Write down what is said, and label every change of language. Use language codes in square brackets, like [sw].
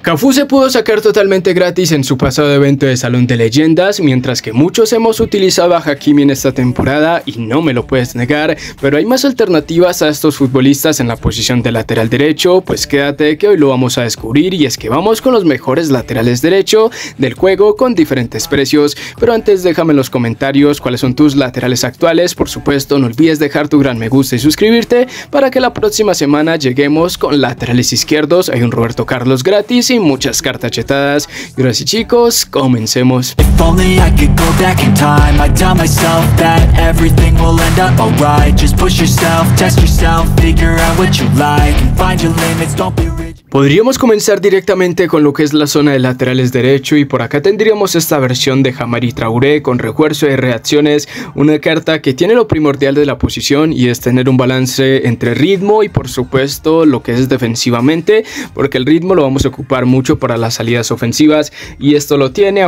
[es] Cafú se pudo sacar totalmente gratis en su pasado evento de Salón de Leyendas, mientras que muchos hemos utilizado a Hakimi en esta temporada, y no me lo puedes negar, pero hay más alternativas a estos futbolistas en la posición de lateral derecho, pues quédate que hoy lo vamos a descubrir, y es que vamos con los mejores laterales derecho del juego con diferentes precios. Pero antes déjame en los comentarios cuáles son tus laterales actuales. Por supuesto, no olvides dejar tu gran me gusta y suscribirte para que la próxima semana lleguemos con laterales izquierdos, hay un Roberto Carlos gratis y muchas cartas chetadas. Y ahora sí, chicos, comencemos. [en] If only I could go back in time, I'd tell myself that everything will end up alright. Just push yourself, test yourself, figure out what you like and find your limits, don't be rich. [es] Podríamos comenzar directamente con lo que es la zona de laterales derecho, y por acá tendríamos esta versión de Jamari Traoré con refuerzo de reacciones, una carta que tiene lo primordial de la posición y es tener un balance entre ritmo y por supuesto lo que es defensivamente, porque el ritmo lo vamos a ocupar mucho para las salidas ofensivas y esto lo tiene.